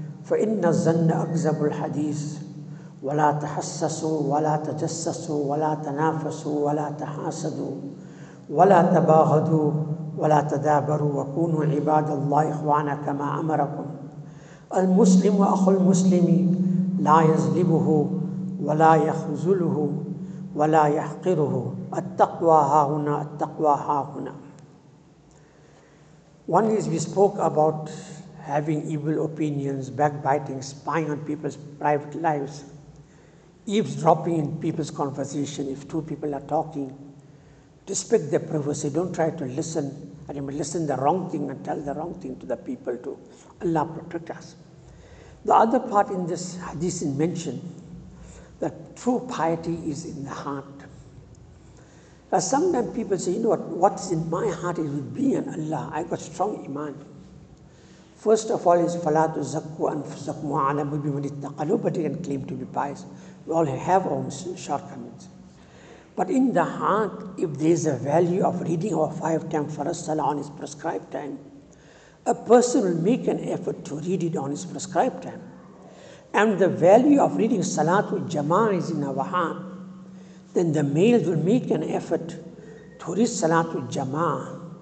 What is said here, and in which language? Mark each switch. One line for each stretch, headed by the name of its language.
Arabic: فإن الظن أكذب الحديث ولا تحسسوا ولا تجسسوا ولا تنافسوا ولا تحاسدوا ولا تباغضوا ولا تدابروا وكونوا عباد الله إخوانا كما أمركم المسلم أخو المسلم لا يظلمه ولا يخذله ولا يحقره التقوى هاهنا التقوى هاهنا.
English: One is we spoke about having evil opinions, backbiting, spying on people's private lives, eavesdropping in people's conversation if two people are talking. Respect their privacy, don't try to listen. And you may listen the wrong thing and tell the wrong thing to the people too. Allah protect us. The other part in this hadith is mentioned that true piety is in the heart. Now, sometimes people say, you know what, what's in my heart is with me and Allah. I got strong iman. First of all is
Arabic: فَلَا تُزَكُّ أَنفُسَكُمْ وَعَلَمُ بِمَنِ اتَّقَى.
English: Nobody can claim to be pious. We all have our own shortcomings. But in the heart, if there is a value of reading our 5 times for a salah on his prescribed time, a person will make an effort to read it on his prescribed time. And the value of reading Salatul Jama'ah is in our heart, then the males will make an effort to read Salatul Jama'ah.